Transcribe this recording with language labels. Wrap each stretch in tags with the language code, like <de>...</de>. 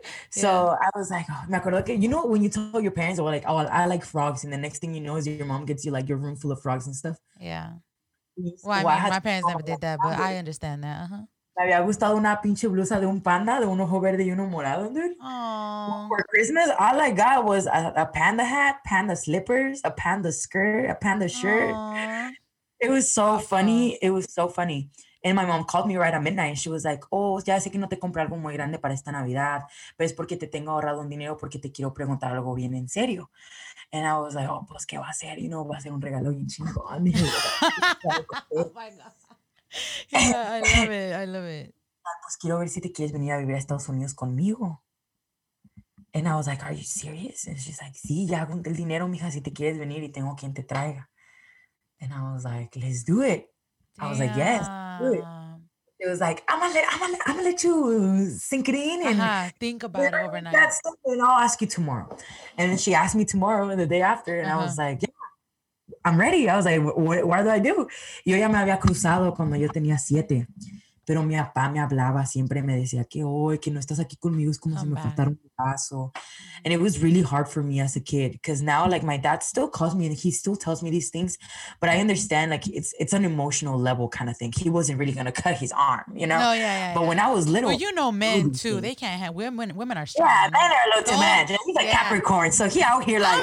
<en>So I was like, oh,</en> <es>me acuerdo que,</es> <en>you know, when you tell your parents, they're like, oh, I like frogs, and the next thing you know is your mom gets you like your room full of frogs and stuff. Yeah. My parents never did that, but I understand that.</en> <es>Me había gustado una pinche blusa de un panda, de un ojo verde y uno morado, dude.</es> <en>Aww. For Christmas, all I got was a panda hat, panda slippers, a panda skirt, a panda shirt. Aww. It was so funny. And my mom called me right at midnight and she was like, oh,</en> <es>ya sé que no te compré algo muy grande para esta Navidad, pero es porque te tengo ahorrado un dinero porque te quiero preguntar algo bien en serio.</es> <en>And I was like, oh,</en> <es>pues, ¿qué va a ser?</es> <en>You know,</en> <es>va a ser un regalo bien chingón.</es> <en>Oh, my God. Yeah, I love it.</en> <es>Pues, quiero ver si te quieres venir a vivir a Estados Unidos conmigo.</es> <en>And I was like, are you serious? And she's like,</en> <es>sí, ya junté el dinero, mija, si te quieres venir y tengo quien te traiga.</es> <en>And I was like, let's do it. Damn. I was like, yes, let's do it. It was like, I'm gonna let you sink it in and think about it overnight. That's something I'll ask you tomorrow. And then she asked me tomorrow and the day after. And I was like, yeah, I'm ready. I was like, what do I do?</en> <es>Yo ya me había cruzado cuando yo tenía siete. Pero mi papá me hablaba siempre, me decía que hoy, que no estás aquí conmigo, es como si me faltara un paso.</es> <en>And it was really hard for me as a kid, because now, like, my dad still calls me and he still tells me these things, but I understand, like, it's an emotional level kind of thing. He wasn't really going to cut his arm, you know? Oh, yeah. But when I was little. Well, you know, men too, they can't have women are strong. Yeah, men are low to men. He's a Capricorn, so he out here, like,</en>